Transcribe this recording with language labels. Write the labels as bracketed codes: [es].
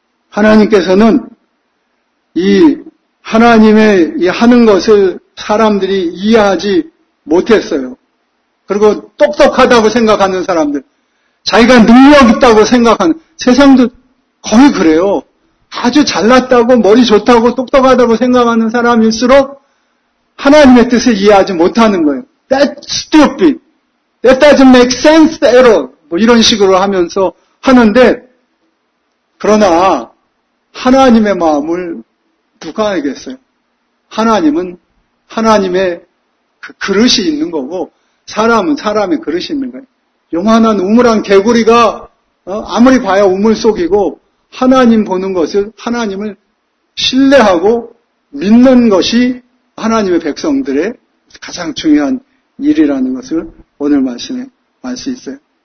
[ko] 하나님께서는 이 하나님의 이 하는 것을 사람들이 이해하지 못했어요. 그리고 똑똑하다고 생각하는 사람들, 자기가 능력 있다고 생각하는 세상도 거의 그래요. 아주 잘났다고 머리 좋다고 똑똑하다고 생각하는 사람일수록 하나님의 뜻을 이해하지 못하는 거예요. [en] That's stupid. That doesn't make sense at all. [ko] 뭐 이런 식으로 하면서 하는데 그러나 하나님의 마음을 누가 알겠어요? 하나님은 하나님의 그 그릇이 있는 거고 사람은 사람의 그릇이 있는 거예요. 요만한 우물한 개구리가 아무리 봐야 우물 속이고 하나님 보는 것을 하나님을 신뢰하고 믿는 것이 하나님의 백성들의 가장 중요한 일이라는 것을 오늘 말씀에 알 수 있어요.